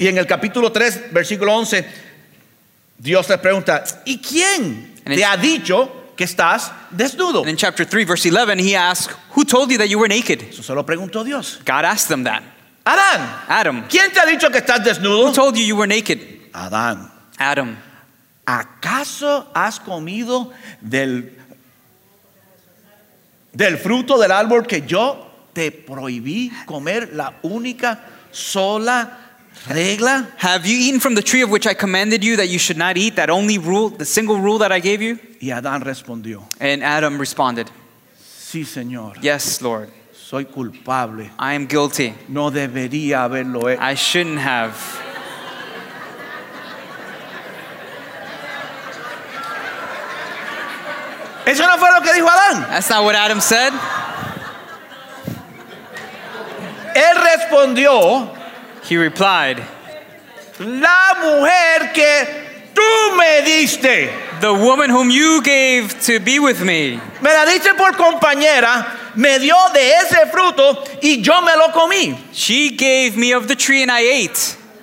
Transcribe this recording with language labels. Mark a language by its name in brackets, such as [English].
[Spanish] Y en el capítulo 3, versículo 11, Dios les pregunta, ¿y quién te ha dicho que estás desnudo? [English] And in chapter 3, verse 11, he asks, who told you that you were naked? [Spanish] Eso solo preguntó Dios. [English] God asked them that. [Spanish] Adán. [English] Adam. [Spanish] ¿Quién te ha dicho que estás desnudo? [English] Who told you you were naked? [Spanish] Adán. [English] Adam. [Spanish] ¿Acaso has comido del fruto del árbol que yo te prohibí comer la única sola regla? [English] Have you eaten from the tree of which I commanded you that you should not eat, that only rule, the single rule that I gave you? [Spanish] Y Adán respondió. [English] And Adam responded. [Spanish] Sí, Señor. [English] Yes, Lord. [Spanish] Soy culpable. [English] I am guilty. [Spanish] No debería haberlo hecho. [English] I shouldn't have. [Spanish] Eso no fue lo que dijo Adán. [English] That's not what Adam said. [Spanish] Él respondió. [English] He replied. [Spanish] La mujer que tú me diste. [English] The woman whom you gave to be with me. [Spanish] Me la diste por compañera. Me dio de ese fruto y yo me lo comí. [English] She gave me of the tree and I ate.